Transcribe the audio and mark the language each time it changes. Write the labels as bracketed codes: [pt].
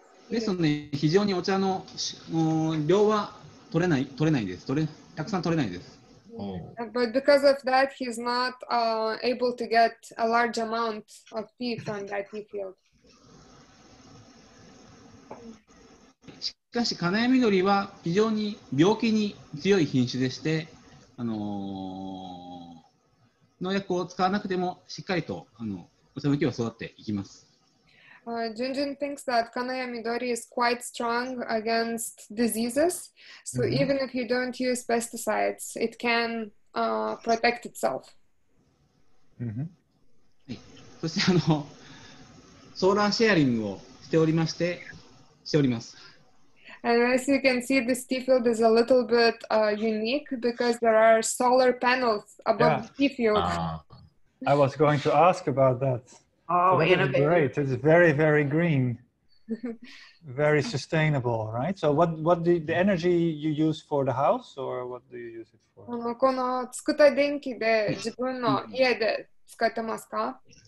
[ja] ですので、非常にお茶の量は取れないです。たくさん取れないです。 [en] But because of that, he's not able to get a large amount of tea from that tea field. [ja] しかし、金谷緑は非常に病気に強い品種でして、農薬を使わなくてもしっかりとお茶の木は育っていきます。 [en] Junjun thinks that Kanaya Midori is quite strong against diseases, so even if you don't use pesticides, it can protect itself. [ja] そしてソーラーシェアリングをしておりまして、しております。 [en] And as you can see, this tea field is a little bit unique because there are solar panels above the tea field. I was going to ask about that. Oh, innovative. Great. It's very, very green. Very sustainable, right? So what do the energy you use for the house or what do you use it for? [ja] この作った電気で自分の家で使ってますか？